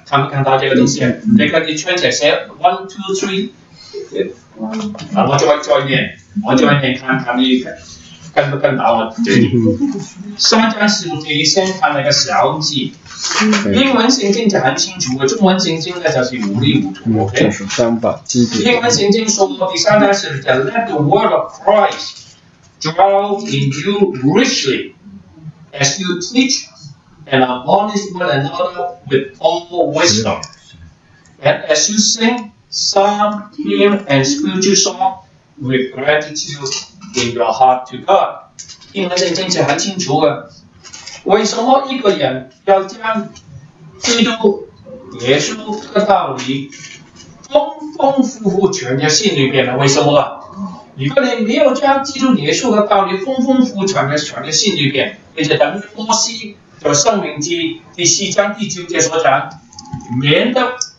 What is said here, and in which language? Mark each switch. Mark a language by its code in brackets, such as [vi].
[zh] 看不看到这个东西？你看你圈起写 one two three。啊、我再念，我再念，看看你跟不跟到我这里。三章十五节，先看那个小字。英文圣经就很清楚，中文圣经呢就是糊里糊涂。就是三百字典。 [en] 英文圣经说过，第三章十五节，Let the word of Christ dwell in you richly, as you teach and admonish one another with all wisdom, and as you sing. Psalm, hymn, and spiritual song with gratitude in your heart to God. [zh] 英文圣经是很清楚的。为什么一个人要将基督耶稣的道理丰丰富富存在心里边呢？为什么？如果你没有将基督耶稣的道理丰丰富存在心里边，你就等于摩西在生命记第四章第九节所讲，免得。